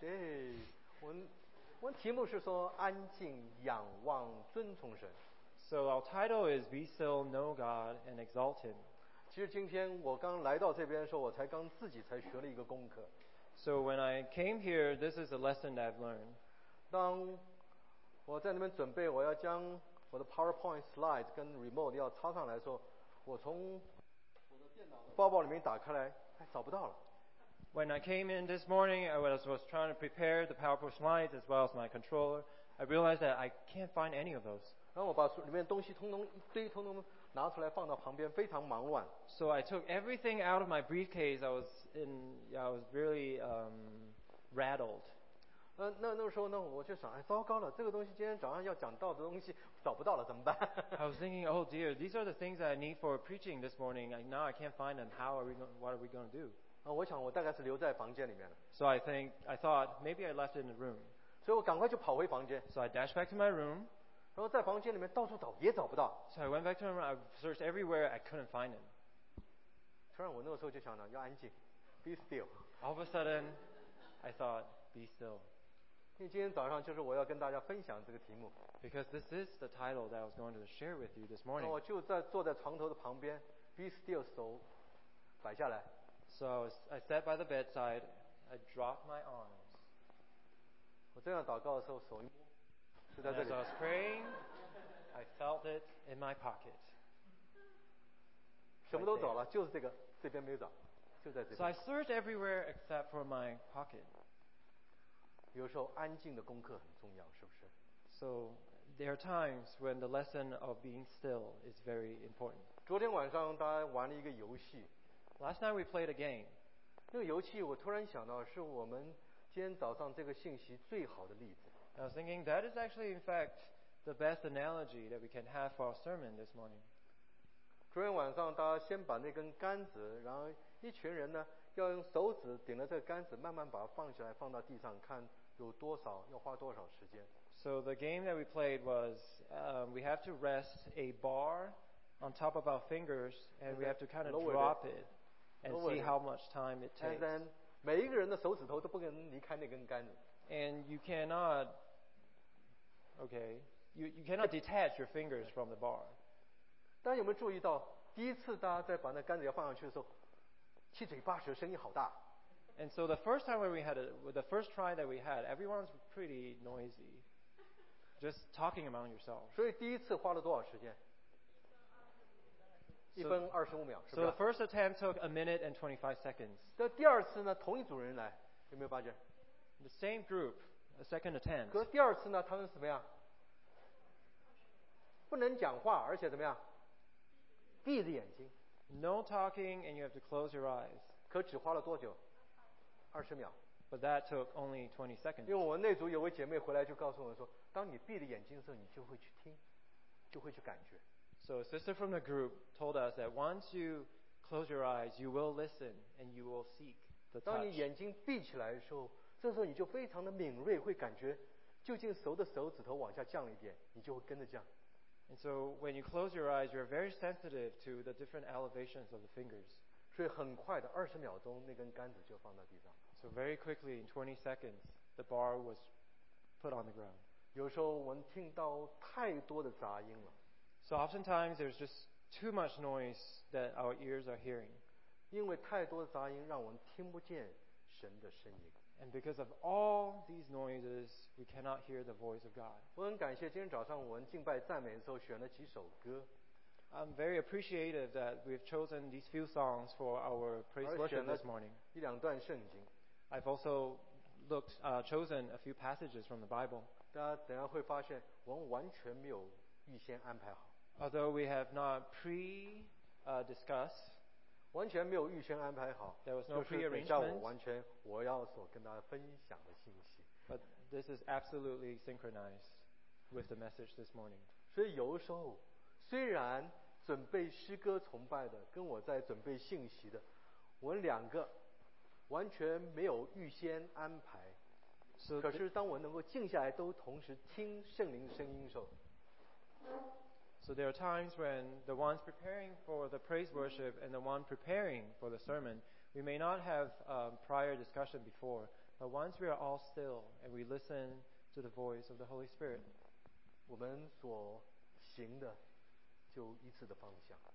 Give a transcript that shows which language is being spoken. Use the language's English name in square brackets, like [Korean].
[Chinese] 对，我们题目是说安静仰望尊崇神。 [English] So our title is Be Still, Know God, and Exalt Him. [Chinese] 其实今天我刚来到这边的时候，我才刚自己才学了一个功课。 [English] So when I came here, this is a lesson that I've learned. [Chinese] 当我在那边准备，我要将我的 PowerPoint slide 跟 remote 要插上来的时候，我从我的电脑的包包里面打开来，哎，找不到了。 [English] When I came in this morning, I was trying to prepare the PowerPoint slides as well as my controller. I realized that I can't find any of those. [Chinese] 然后我把里面东西通通拿出来放到旁边，非常忙乱。 [English] So I took everything out of my briefcase. I was really rattled. [Chinese] 那时候呢，我就想，哎，糟糕了，这个东西今天早上要讲到的东西找不到了，怎么办？ [English] I was thinking, oh dear, these are the things I need for preaching this morning. And now I can't find them. How are we going? What are we going to do? [Chinese] 我想我大概是留在房间里面了。 [English] So I thought maybe I left it in the room. [Chinese] 所以我赶快就跑回房间。 [English] So I dashed back to my room. [Chinese] 然后在房间里面到处找也找不到。 [English] So I went back to my room. I searched everywhere. I couldn't find them. [Chinese] 突然我那个时候就想到要安静 ， [English] be still. All of a sudden, I thought, be still. [Chinese] 因为今天早上就是我要跟大家分享这个题目。 [English] Because this is the title that I was going to share with you this morning. [Chinese] 我就在坐在床头的旁边 ， [English] be still， [Chinese] 手摆下来。 [English] So I sat by the bedside, I dropped my arms. [Chinese] 我这样祷告的时候，手一摸，是在这里。 [English] And as I was praying, I felt it in my pocket. [Chinese] 什么都找了，就是这个，这边没有找，就在这边。 [English] So I searched everywhere except for my pocket. [Chinese] 有时候安静的功课很重要，是不是 [English] ？So there are times when the lesson of being still is very important. [Chinese] 昨天晚上大家玩了一个游戏。 [English] Last night we played a game. [Chinese] 那个游戏我突然想到是我们今天早上这个信息最好的例子。 [English] I was thinking that is actually in fact the best analogy that we can have for our sermon this morning. [Chinese] 昨天晚上大家先把那根杆子，然后一群人呢。要用手指顶着这个杆子慢慢把它放起来放到地上看有多少要花多少时间 [English] So the game that we played was we have to rest a bar on top of our fingers and we have to kind of drop it and see how much time it takes And then [Chinese] 每一个人的手指头都不能离开那根杆子 [English] And you cannot okay you cannot detach your fingers from the bar [Chinese] 但有没有注意到第一次大家在把那杆子要放上去的时候七嘴八舌，声音好大。 [English] And so the first time when we had the first try that we had, everyone's pretty noisy, just talking among yourselves. [Chinese] 所以第一次花了多少时间？ 1分25秒。 [English] So the first attempt took 1 minute and 25 seconds. [Chinese] 那第二次呢？同一组人来，有没有发觉 [English] ？The same group, a second attempt. [Chinese] 可是第二次呢，他们怎么样？不能讲话，而且怎么样？闭着眼睛。 [English] No talking and you have to close your eyes. [Chinese] 可只花了多久？20秒。 [English] But that took only 20 seconds. [Chinese] 因为我那组有位姐妹回来就告诉我说，当你闭着眼睛的时候，你就会去听，就会去感觉。 [English] So a sister from the group told us that once you close your eyes, you will listen and you will seek the touch. [Chinese] 当你眼睛闭起来的时候，这时候你就非常的敏锐，会感觉就近熟的手指头往下降一点，你就会跟着降。 [English] And so when you close your eyes, you're very sensitive to the different elevations of the fingers. [Chinese] 所以很快的二十秒钟，那根杆子就放到地上。 [English] So very quickly, in 20 seconds, the bar was put on the ground. [Chinese] 有时候我们听到太多的杂音了。 [English] So oftentimes there's just too much noise that our ears are hearing. [Chinese] 因为太多的杂音让我们听不见神的声音。 [English] And because of all these noises, we cannot hear the voice of God. [Chinese] 我很感谢今天早上我们敬拜赞美的时候选了几首歌。 [English] I'm very appreciative that we've chosen these few songs for our praise worship this morning. [Chinese] 一两段圣经。 [English] I've also chosen a few passages from the Bible. [Chinese] 大家等一下会发现我们完全没有预先安排好。 [English] Although we have not discussed, [Chinese] 完全没有预先安排好。 [English] There was no prearrangement. [Chinese] 就是完全我要所跟大家分享的信息。 [English] But this is absolutely synchronized with the message this morning. [Chinese] 所以有的时候，虽然准备诗歌崇拜的跟我在准备信息的，我们两个完全没有预先安排。 [English] So, [Chinese] 可是当我能够静下来，都同时听圣灵声音的时候。 [English] So there are times when the ones preparing for the praise worship and the one preparing for the sermon, we may not have prior discussion before, but once we are all still and we listen to the voice of the Holy Spirit, [Chinese] 我们所行的就一致的方向。